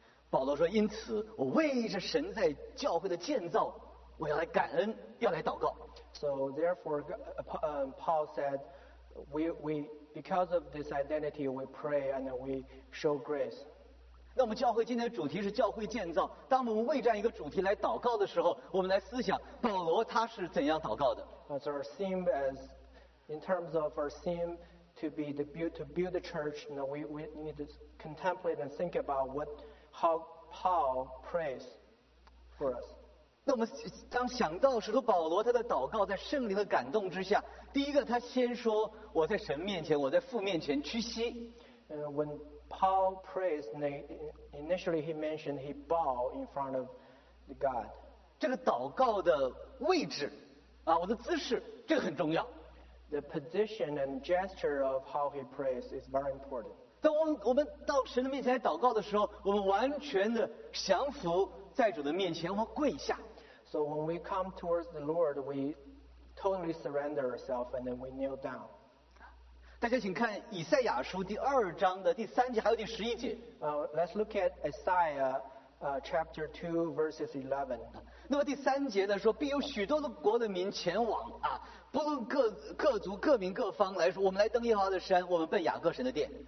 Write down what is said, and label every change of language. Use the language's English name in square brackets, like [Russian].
[Chinese] 保罗说，因此我为着神在教会的建造，我要来感恩，要来祷告。 [English] So therefore, Paul said, we because of this identity, we pray and we show grace. [Chinese] 那我们教会今天的主题是教会建造。当我们为这样一个主题来祷告的时候，我们来思想保罗他是怎样祷告的。 [English] So our theme as in terms of our theme to be the build, to build the church, you know, we need to contemplate and think about what how Paul prays for us. [Chinese] 那我们当想到使徒保罗他的祷告在圣灵的感动之下，第一个他先说我在神面前，我在父面前屈膝。 [English] When Paul prays, initially he mentioned he bowed in front of the God. [Chinese] 这个祷告的位置啊，我的姿势，这个很重要。 [English] The position and gesture of how he prays is very important. [Chinese] 当我们到神的面前来祷告的时候，我们完全的降服在主的面前，我们跪下。 [English] So when we come towards the Lord, we totally surrender ourselves and then we kneel down. [Chinese] 大家请看以赛亚书第二章的第三节，还有第十一节。 [English] Let's look at Isaiah, chapter 2, verses 11. [Chinese] 那么第三节呢，说必有许多的国的民前往啊。不论各族各民各方来说，我们来登耶和华的山，我们奔雅各神的殿。